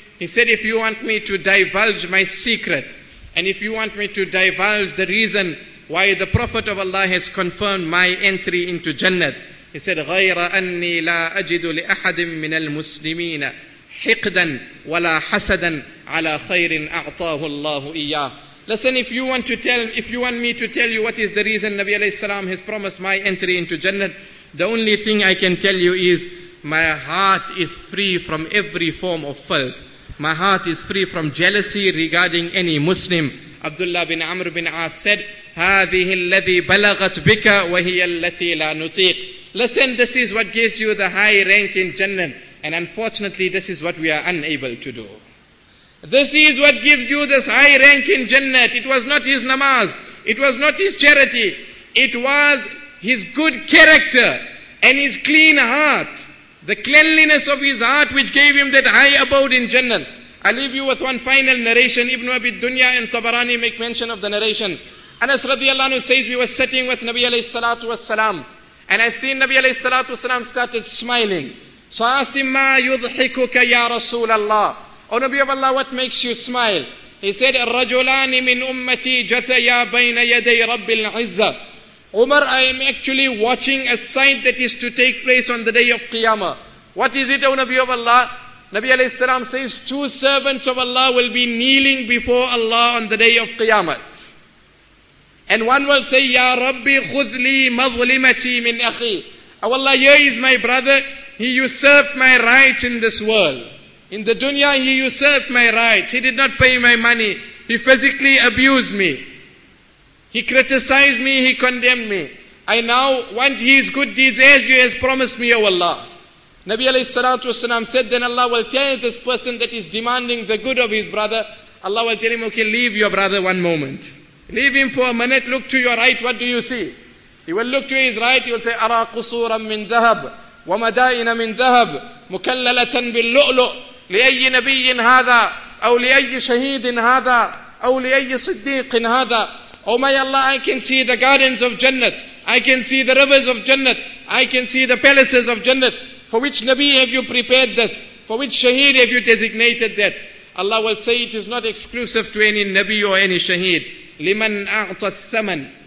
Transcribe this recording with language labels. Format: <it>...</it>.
<en>He said, if you want me to divulge my secret, and if you want me to divulge the reason why the Prophet of Allah has confirmed my entry into Jannah, he said,</en> <ar>غَيْرَ أَنِّي لَا أَجِدُ لِأَحَدٍ مِّنَ الْمُسْلِمِينَ حِقْدًا وَلَا حَسَدًا عَلَى خَيْرٍ أَعْطَاهُ اللَّهُ إِيَّاهُ.</ar> <en>Listen, if you want me to tell you what is the reason Nabi alayhi salam has promised my entry into Jannah, the only thing I can tell you is my heart is free from every form of filth. My heart is free from jealousy regarding any Muslim. Abdullah bin Amr bin As said,</en> <ar>هَذِهِ الَّذِي بَلَغَتْ بِكَ وَهِيَ الَّتِي لَا نُتِيقُ.</ar> <en>Listen, this is what gives you the high rank in Jannah. And unfortunately, this is what we are unable to do. This is what gives you this high rank in Jannah. It was not his namaz. It was not his charity. It was his good character and his clean heart. The cleanliness of his heart which gave him that high abode in Jannah. I leave you with one final narration. Ibn Abi Dunya and Tabarani make mention of the narration. Anas radiallahu anhu says, we were sitting with Nabi alayhi salatu wasalam, and I seen Nabi alayhi salatu wasalam started smiling. So I asked him,</en> <ar>ma yudhikuka ya Rasulallah?</ar> <en>O Nabi of Allah, what makes you smile? He said,</en> <ar>الرجلان من أمتي جثيا بين يدي رب العزة.</ar> <en>Umar, I am actually watching a sight that is to take place on the day of Qiyamah. What is it, O Nabi of Allah? Nabi alayhi salam says, two servants of Allah will be kneeling before Allah on the day of Qiyamah. And one will say, Ya Rabbi,</en> <ar>خذ لي مظلمتي من أخي.</ar> <en>Oh Allah, here is my brother. He usurped my rights in this world. In the dunya, he usurped my rights. He did not pay my money. He physically abused me. He criticized me. He condemned me. I now want his good deeds as you have promised me, O Allah. Nabi alayhi salatu wasalam said, then Allah will tell this person that is demanding the good of his brother, Allah will tell him, okay, leave your brother one moment. Leave him for a minute. Look to your right. What do you see? He will look to his right. He will say,</en> <ar>أَرَى قُصُورًا مِّن ذَهَبْ وَمَدَائِنَ مِّن ذَهَبْ مُكَلَّلَةً بِاللُّؤْلُؤْ لأي نبي هذا أو لأي شهيد هذا أو لأي صديق هذا.</ar> <en>Oh my Allah, I can see the gardens of Jannah. I can see the rivers of Jannah. I can see the palaces of Jannah. For which Nabi have you prepared this? For which shaheed have you designated that? Allah will say, it is not exclusive to any Nabi or any shaheed.</en> <ar>لمن أعطى الثمن.</ar>